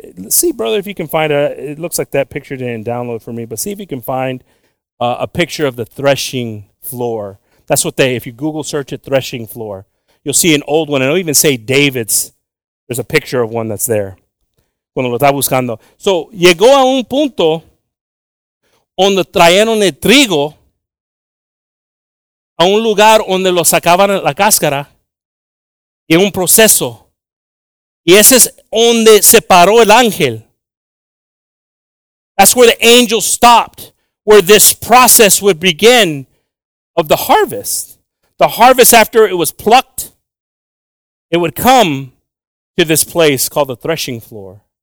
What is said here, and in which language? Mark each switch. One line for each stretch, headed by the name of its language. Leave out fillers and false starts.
English: See, brother, if you can find a, it looks like that picture didn't download for me, but see if you can find a picture of the threshing floor. That's what they, if you Google search it, threshing floor, you'll see an old one. It'll even say David's. There's a picture of one that's there.
Spanish: Cuando lo está buscando. So, llegó a un punto donde trajeron el trigo a un lugar donde lo sacaban la cáscara y un proceso. Y ese es donde se paró el ángel.
English: That's where the angel stopped, where this process would begin of the harvest. The harvest after it was plucked, it would come to this place called the threshing floor.